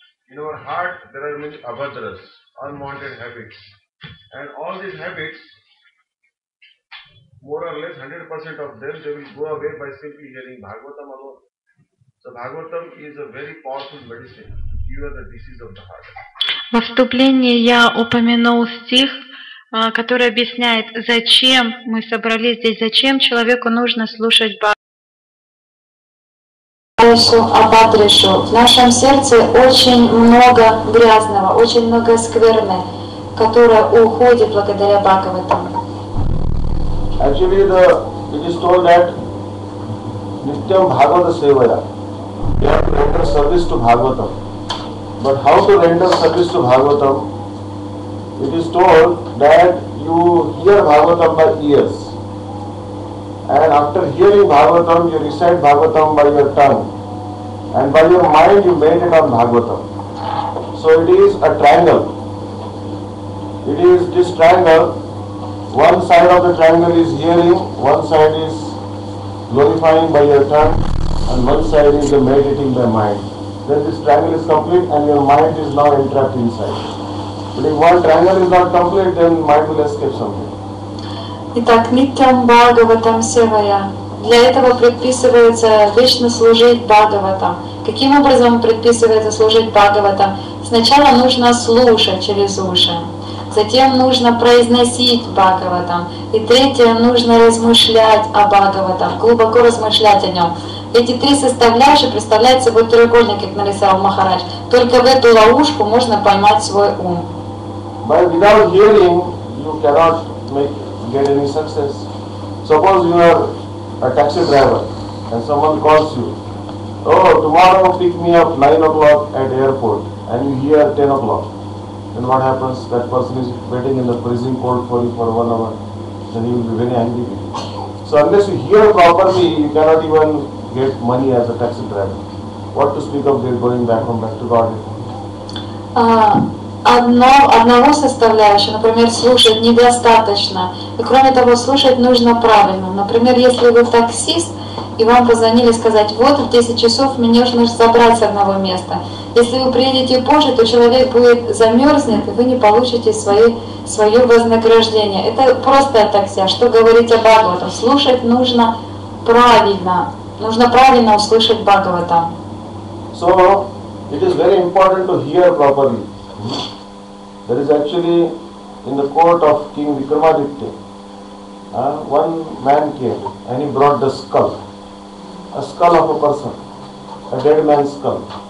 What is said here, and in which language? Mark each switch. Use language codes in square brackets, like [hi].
[en] In our heart, there are many abhadras, unwanted habits. And all these habits, more or less 100% of them, they will go away by simply hearing Bhagavatam alone. So Bhagavatam is a very powerful medicine to cure the disease of the heart. [ru] Во вступлении я упомянул стих, который объясняет, зачем мы собрались здесь, зачем человеку нужно слушать Бхагаватам. В нашем сердце очень много грязного, очень много скверны, которое уходит благодаря Бхагаватам. [en] Actually, it is told that Nityam Bhagavata Sevaya. We have to render service to Bhagavatam. But how to render service to Bhagavatam? It is told that you hear Bhagavatam by ears. And after hearing Bhagavatam, you recite Bhagavatam by your tongue. And by your mind you made it on Bhagavatam. So it is a triangle. It is this triangle. One side of the triangle is hearing, one side is glorifying by your tongue, and one side is meditating by mind. Then this triangle is complete and your mind is now entrapped inside. But if one triangle is not complete, then mind will escape something. [ru] Итак, Nityam Bhagavatam Sevaya. Для этого предписывается вечно служить Бхагаватам. Каким образом предписывается служить Бхагаватам? Сначала нужно слушать через уши. Затем нужно произносить Бхагаватам. И третье, нужно размышлять о Бхагаватам, глубоко размышлять о нем. эти три составляющие представляют собой треугольник, как нарисовал Махарадж. Только в эту ловушку можно поймать свой ум. [en] By without hearing, you cannot make get any success. Suppose you are a taxi driver and someone calls you, oh, tomorrow pick me up 9 o'clock at airport, and you hear 10 o'clock. Then what happens? That person is waiting in the freezing cold for you for 1 hour. Then he will be very angry with you. So unless you hear properly, you cannot even get money as a taxi driver. What to speak of their going back home, back to God? [ru] Одного составляющего, например, слушать недостаточно. И кроме того, слушать нужно правильно. Например, если вы таксист, и вам позвонили сказать, вот в 10 часов мне нужно забрать с одного места. Если вы приедете позже, то человек будет замерзнет, и вы не получите свое вознаграждение. Это просто такси. А что говорить о Бхагаватам? Слушать нужно правильно. Нужно правильно услышать Бхагаватам. [en] So, it is very important to hear properly. There is actually in the court of King Vikramaditya, one man came and he brought the skull, a skull of a person, a dead man's skull.